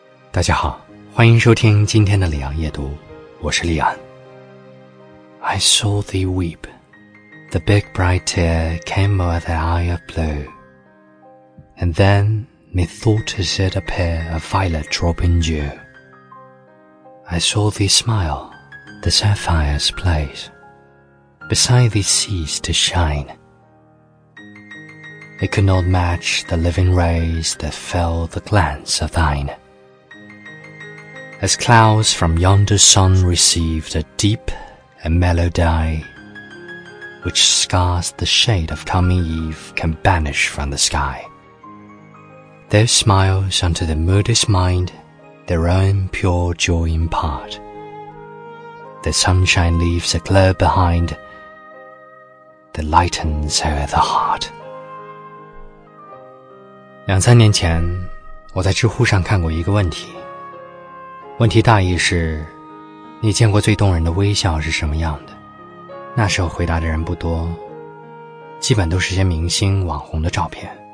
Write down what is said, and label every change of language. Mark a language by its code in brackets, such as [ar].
[zh] 大家好，欢迎收听今天的李昂夜读，我是李昂。 [en] I saw thee weep, the big bright tear came o'er the eye of blue, and then methought to set a pair of violet dropping dew. I saw thee smile, the sapphire's place, beside thee cease to shine. It could not match the living rays that fell the glance of thine. As clouds from yonder sun received a deep and mellow dye, which scarce the shade of coming eve can banish from the sky. Their smiles unto the moodiest mind their own pure joy impart. The sunshine leaves a glow behind that lightens o'er the heart. [zh] 两三年前，我在知乎上看过一个问题，问题大意是，你见过最动人的微笑是什么样的？那时候回答的人不多，基本都是些明星网红的照片。